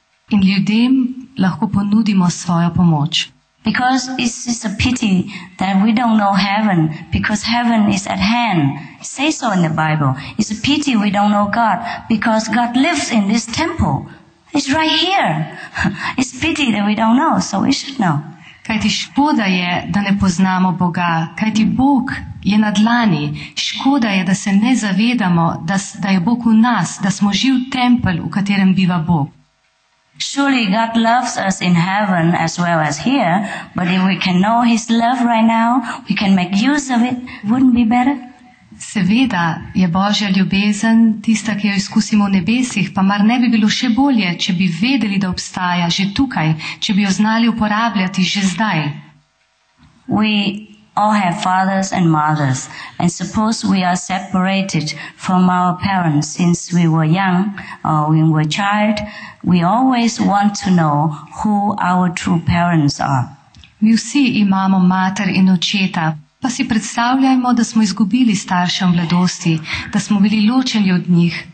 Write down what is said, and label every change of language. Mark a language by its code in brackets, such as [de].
[sl] In ljudem lahko ponudimo svojo pomoč. [en] Because it is a pity that we don't know heaven, because heaven is at hand. It says so in the Bible. It's a pity we don't know God, because God lives in this temple. It's right here. It's pity that we don't know, so we should know. [sl] Kajti škoda je, da ne poznamo Boga, kajti Bog je na dlani. Škoda je, da se ne zavedamo, da je Bog v nas, da smo živ tempel, v katerem biva Bog. [en] Surely God loves us in heaven as well as here, but if we can know His love right now, we can make use of it, wouldn't be better? [sl] Seveda je Božja ljubezen tista, ki jo izkusimo v nebesih, pa mar ne bi bilo še bolje, če bi vedeli, da obstaja že tukaj, če bi jo znali uporabljati že zdaj. [en] We all have fathers and mothers, and suppose we are separated from our parents since we were young or when we were child, we always want to know who our true parents are. [sl] Mi vsi imamo mater in očeta, pa si predstavljajmo, da smo izgubili starše v mladosti, da smo bili ločeni od njih.